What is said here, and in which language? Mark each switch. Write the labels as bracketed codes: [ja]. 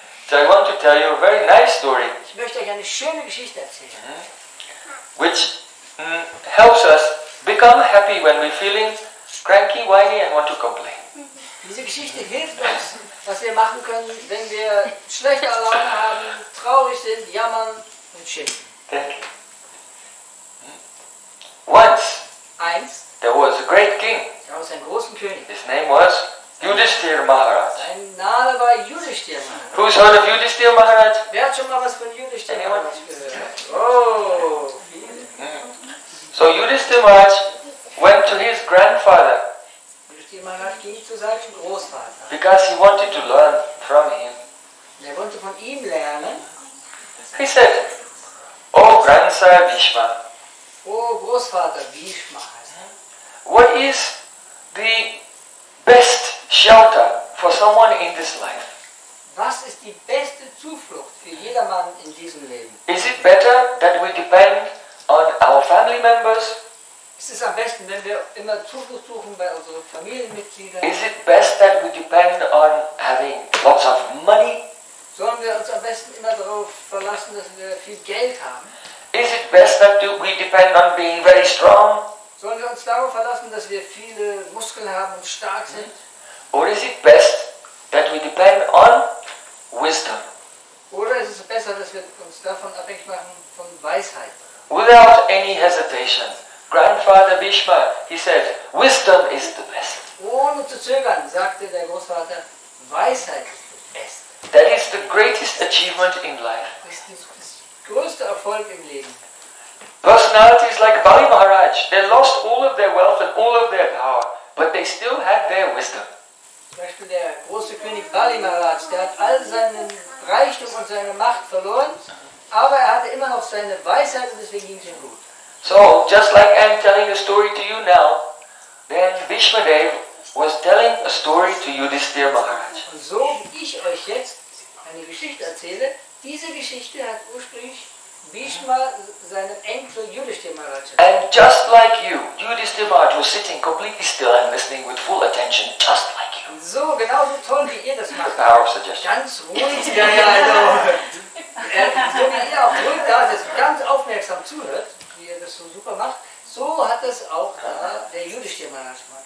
[en] So, I want to tell you a very nice story. [de] Ich möchte euch eine schöne Geschichte erzählen. [en] Which helps us become happy when we're feeling cranky, whiny and want to complain. [de] Diese Geschichte hilft uns, was wir machen können, wenn wir schlechte Laune haben, traurig sind, jammern. [en] Thank you. Once, [de] eins, [en] there was a great king. [de] Gab es einen großen König. [en] His name was Yudhishthir Maharaj. [de] Sein Name war Yudhishthir Maharaj. [en] Who's heard of Yudhishthir Maharaj? [de] Wer hat schon mal was von Yudhishthir Maharaj gehört? [en] So Yudhishthir Maharaj went to his grandfather. [de] Yudhishthir Maharaj ging zu seinem Großvater. [en] Because he wanted to learn from him. [de] Er wollte von ihm lernen. [en] He said, "Oh, grandsire Bhishma." [de] Oh, Großvater Bhishma. [en] What is the best shelter for someone in this life? [de] Was ist die beste Zuflucht für jedermann in diesem Leben? [en] Is it better that we depend on our family members? [de] Ist es am besten, wenn wir immer Zuflucht suchen bei unseren Familienmitgliedern? [en] Is it best that we depend on having lots of money? [de] Sollen wir uns am besten immer darauf verlassen, dass wir viel Geld haben? [en] Is it best that we depend on being very strong? [de] Sollen wir uns darauf verlassen, dass wir viele Muskeln haben und stark sind? [en] Or is it best that we depend on wisdom? [de] Oder ist es besser, dass wir uns davon abhängig machen, von Weisheit? [en] Without any hesitation, Grandfather Bhishma, he said, wisdom is the best. [de] Ohne zu zögern, sagte der Großvater, Weisheit ist das Beste. [en] That is the greatest achievement in life. [de] Das größte Erfolg im Leben. [en] Personalities like Bali Maharaj, they lost all of their wealth and all of their power, but they still had their wisdom. [de] Zum Beispiel der große König Bali Maharaj, der hat all seinen Reichtum und seine Macht verloren, aber er hatte immer noch seine Weisheit und deswegen ging es ihm gut. [en] So, just like I'm telling a story to you now, then Bhishma Dev was telling a story to Yudhishthir Maharaj. [de] Und so wie ich euch jetzt eine Geschichte erzähle, diese Geschichte hat ursprünglich Bhishma seinem Enkel Yudhishthira Maharaj. [en] And just like you, Yudhishthira Maharaj was sitting completely still and listening with full attention, just like you. [de] So, genau so toll wie ihr das macht. [en] Power of suggestion. [de] Ganz ruhig, ja, also. So wie ihr auch ruhig da sitzt, ganz aufmerksam zuhört, wie ihr das so super macht, so hat es auch der Yudhishthira Maharaj gemacht.